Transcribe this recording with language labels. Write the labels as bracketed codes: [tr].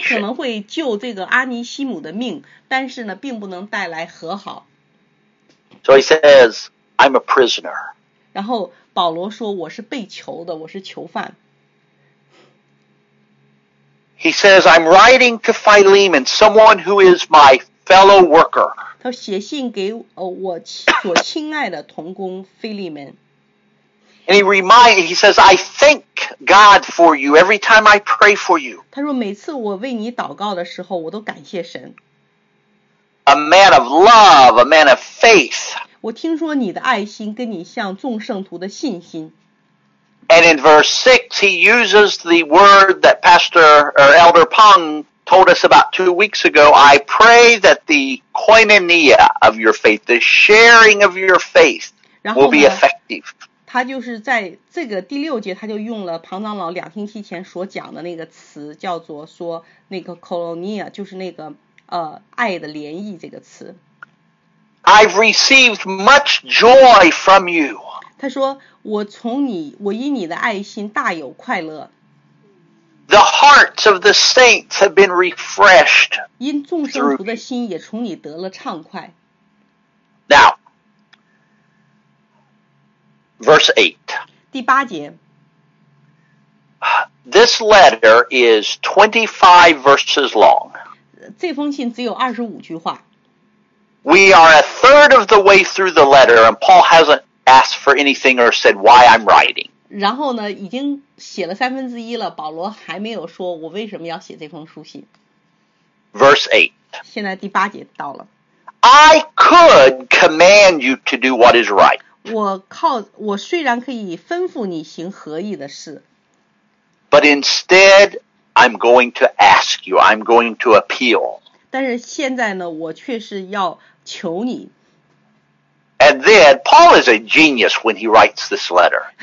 [zh] 他可能会救这个阿尼西姆的命但是呢并不能带来和好。 [en] So he says, I'm a prisoner. [zh] 然后保罗说我是被囚的我是囚犯。 [en] He says, I'm writing to Philemon, someone who is my fellow worker. [zh] 他写信给我所亲爱的同工 Philemon [en] And he reminds, he says, I thank God for you every time I pray for you. [zh] 他说每次我为你祷告的时候我都感谢神。 [en] A man of love, a man of faith. [zh] 我听说你的爱心跟你像众圣徒的信心。 [en] And in verse 6, he uses the word that Pastor or Elder Pong told us about 2 weeks ago. I pray that the koinonia of your faith, the sharing of your faith, will be effective. [zh] 他就是在这个第六节，他就用了庞长老两星期前所讲的那个词，叫做说那个 koinonia, 就是那个爱的联谊这个词。 [en] I've received much joy from you. [zh] 他说我从你，我因你的爱心大有快乐。 [en] The hearts of the saints have been refreshed. [zh] 因众圣徒的心也从你得了畅快。 [en] Now, verse 8. [zh] 第八节。 [en] This letter is 25 verses long. [zh] 这封信只有25句话。 [en] We are a third of the way through the letter, and Paul hasn't asked for anything or said why I'm writing. [zh] 然后呢，已经写了三分之一了，保罗还没有说我为什么要写这封书信。 [en] Verse 8. [zh] 现在第八节到了。 [en] I could command you to do what is right. [zh] 我虽然可以吩咐你行合意的事。 [en] But instead, I'm going to ask you, I'm going to appeal. [zh] 但是现在呢，我却是要求你。 [en] And then Paul is a genius when he writes this letter.